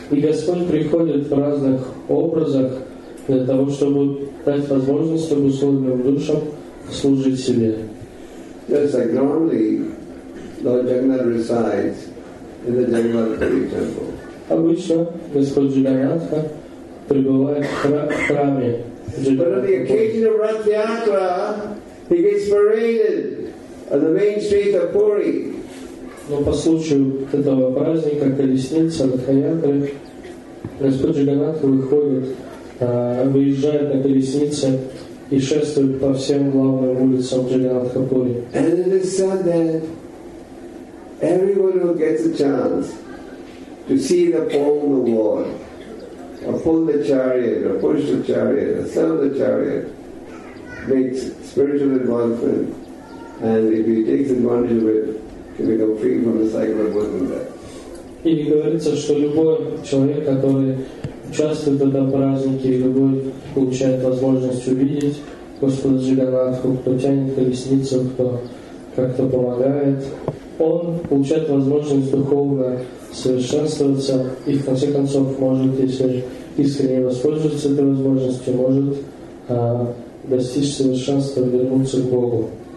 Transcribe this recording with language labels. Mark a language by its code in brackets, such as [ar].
[ru] И Господь приходит в разных образах для того, чтобы дать возможность обусловленным душам служить себе. [en] Just like normally, Lord Jagannath resides in the Jagannath Puri temple. [ru] Обычно Господь Джаганнатха пребывает в храме. [en] But on the occasion of Ратхиатра, he gets paraded on the main street of Puri. [ru] Но по случаю этого праздника колесница Ратхиатры Господь Джаганнатха выходит, выезжает на колеснице и шествует по всем главным улицам Джаганнатха-пури. [en] And it is said that everyone who gets a chance to see the pull the Lord, or pull the chariot, or push the chariot, or sell the chariot, makes spiritual advancement, and if he takes advantage of it, can become free from the cycle of birth and death. [ru] И говорится, что любой человек, который участвует в этом празднике, и любой получает возможность увидеть Господа Джаганнатху, кто тянет колесницу, кто как-то помогает, он получает возможность духовно совершенствоваться и в конце концов может, если искренне воспользоваться этой возможностью, может достичь совершенства, вернуться к Богу.